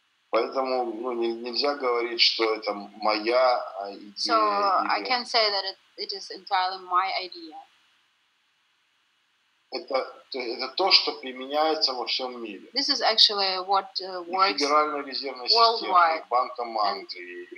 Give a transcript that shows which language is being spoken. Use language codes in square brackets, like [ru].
[ru] Поэтому нельзя говорить, что это моя идея. [en] So I can't say that it is entirely my idea. [ru] Это то, что применяется во всем мире. [en] This is actually what works. [ru] И Федеральная резервная система, и Банком Англии,